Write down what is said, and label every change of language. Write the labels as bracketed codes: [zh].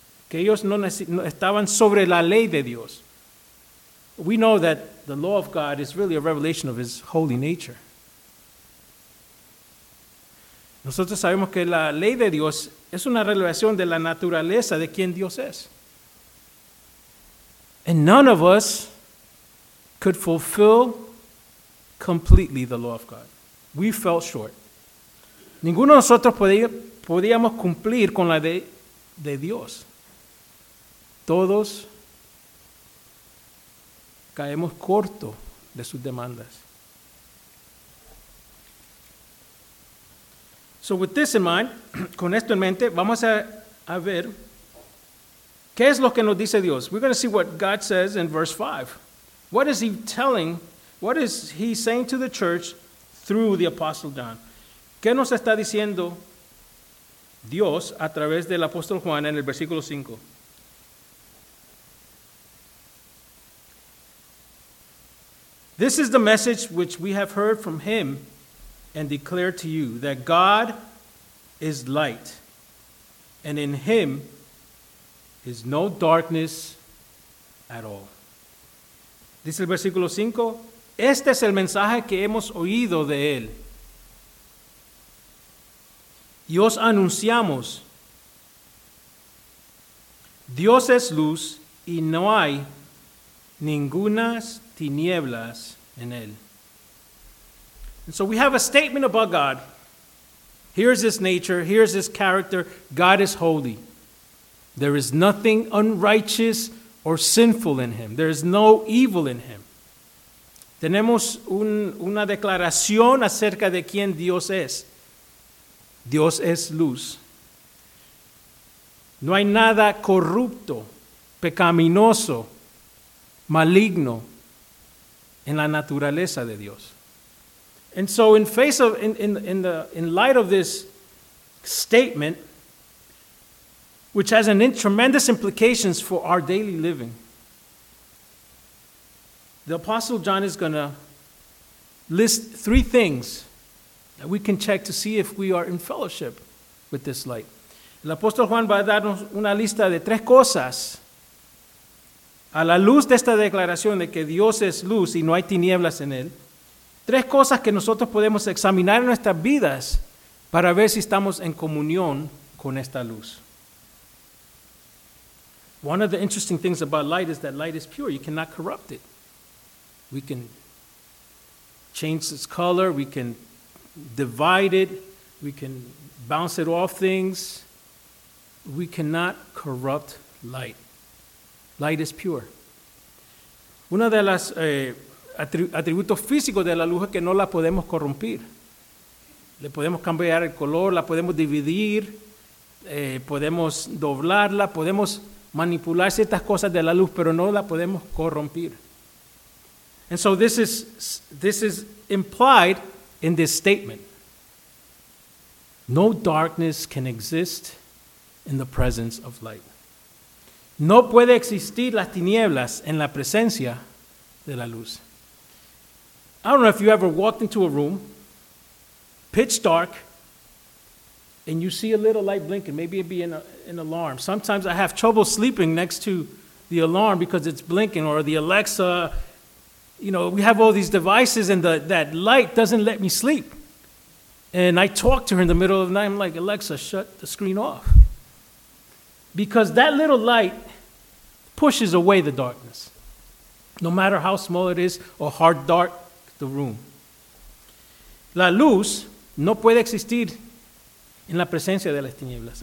[es] Que ellos no estaban sobre la ley de Dios. [en] We know that the law of God is really a revelation of his holy nature. [es] Nosotros sabemos que la ley de Dios es una revelación de la naturaleza de quien Dios es. [en] And none of us could fulfill completely the law of God. We fell short. [es] Ninguno de nosotros podíamos cumplir con la ley de Dios. Todos caemos corto de sus demandas. [en] So with this in mind, [es] con esto en mente, vamos a ver qué es lo que nos dice Dios. [en] We're going to see what God says in verse 5. What is he telling, what is he saying to the church through the Apostle John? [es] ¿Qué nos está diciendo Dios a través del apóstol Juan en el versículo 5? [en] This is the message which we have heard from him and declare to you, that God is light, and in him is no darkness at all. [es] Dice el versículo 5, este es el mensaje que hemos oído de él. Y os anunciamos, Dios es luz y no hay ningunas tinieblas en él. [en] And so we have a statement about God. Here's his nature, here's his character. God is holy. There is nothing unrighteous or sinful in him. There is no evil in him. [es] Tenemos una declaración acerca de quién Dios es. Dios es luz. No hay nada corrupto, pecaminoso, maligno en la naturaleza de Dios. [en] And so in light of this statement, which has an tremendous implications for our daily living. The Apostle John is going to list three things that we can check to see if we are in fellowship with this light. [es] El apóstol Juan va a darnos una lista de tres cosas a la luz de esta declaración de que Dios es luz y no hay tinieblas en él. Tres cosas que nosotros podemos examinar en nuestras vidas para ver si estamos en comunión con esta luz. [en] One of the interesting things about light is that light is pure. You cannot corrupt it. We can change its color. We can divide it. We can bounce it off things. We cannot corrupt light. Light is pure. [es] Una de las atributos físicos de la luz es que no la podemos corromper. Le podemos cambiar el color, la podemos dividir, podemos doblarla, podemos manipular ciertas cosas de la luz, pero no la podemos corromper. [en] And so this is implied in this statement. No darkness can exist in the presence of light. [es] No puede existir las tinieblas en la presencia de la luz. [en] I don't know if you ever walked into a room, pitch dark, and you see a little light blinking. Maybe it'd be an alarm. Sometimes I have trouble sleeping next to the alarm because it's blinking, or the Alexa. You know, we have all these devices, and that light doesn't let me sleep. And I talk to her in the middle of the night. I'm like, Alexa, shut the screen off. Because that little light pushes away the darkness, no matter how small it is or how dark the room. [es] La luz no puede existir en la presencia de las tinieblas.